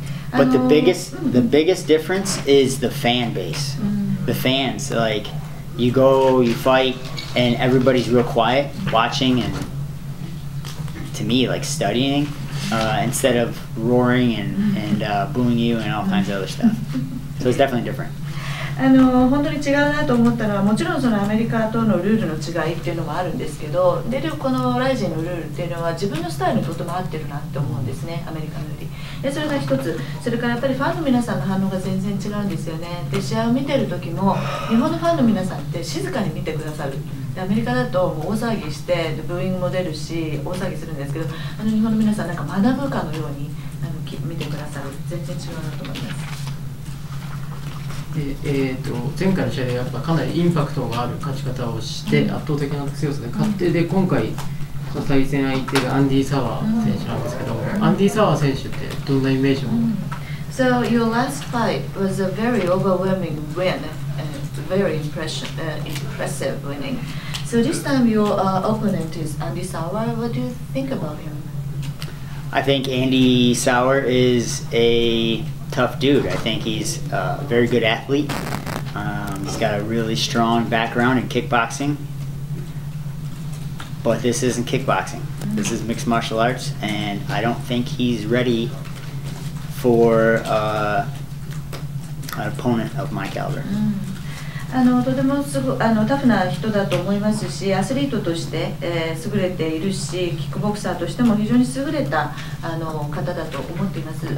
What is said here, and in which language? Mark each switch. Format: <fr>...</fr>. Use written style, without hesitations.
<en>But the biggest difference is the fan base. The fans, like, you go, you fight, and everybody's real quiet, watching, and to me, like, studying. Instead of roaring and booing you and all kinds of other stuff. So it's definitely different.</en> <ja>本当に違うなと思ったのは、もちろんそのアメリカとのルールの違いっていうのもあるんですけど、出るこのライジンのルールっていうのは自分のスタイルにとても合ってるなって思うんですね、アメリカのより。で、それが一つ。それからやっぱりファンの皆さんの反応が全然違うんですよね。で、試合を見てる時も、日本のファンの皆さんって静かに見てくださる。アメリカだともう大騒ぎしてブーイングも出るし大騒ぎするんですけど、日本の皆さんなんか学ぶかのように見てくださる。全然違うなと思います。で、前回の試合でやっぱかなりインパクトがある勝ち方をして、圧倒的な強さで勝って、で今回その対戦相手がアンディ・サワー選手なんですけど、アンディ・サワー選手ってどんなイメージを、</ja> <en>So your last fight was a very overwhelming win. Very impressive winning. So this time your opponent is Andy Sauer. What do you think about him? I think Andy Sauer is a tough dude. I think he's a very good athlete. He's got a really strong background in kickboxing. But this isn't kickboxing. Mm-hmm. This is mixed martial arts, and I don't think he's ready for an opponent of my caliber. Mm-hmm.</en> <ja>とてもすごタフな人だと思いますし、アスリートとして、優れているし、キックボクサーとしても非常に優れた方だと思っています。</ja>